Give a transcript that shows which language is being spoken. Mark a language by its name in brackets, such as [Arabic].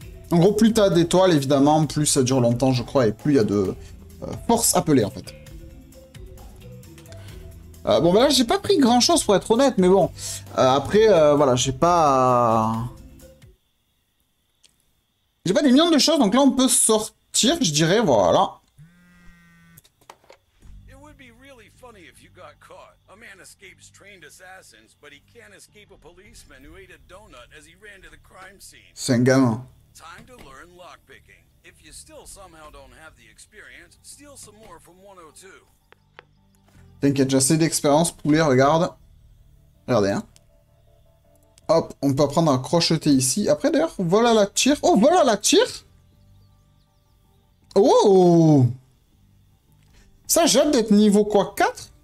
[French] En gros, plus t'as d'étoiles, évidemment, plus ça dure longtemps, je crois, et plus il y a de force appelée, en fait. Bon, ben là, j'ai pas pris grand-chose, pour être honnête, mais bon. Après, voilà, j'ai pas... J'ai pas des millions de choses, donc là, on peut sortir, je dirais, voilà. [English] It would be really funny if you got caught. A man escapes trained assassins, but he can't escape a policeman who ate a donut as he ran to the crime scene. [French] C'est un gamin. [English] Time to learn lockpicking. If you still somehow don't have the experience, steal some more from 102. [French] T'inquiète, j'ai assez d'expérience, poulet, regarde. Regardez, hein. Hop, on peut apprendre à crocheter ici. Après, d'ailleurs, voilà la tire. Oh, voilà la tire. Oh. Ça, j'ai hâte d'être niveau quoi, 4?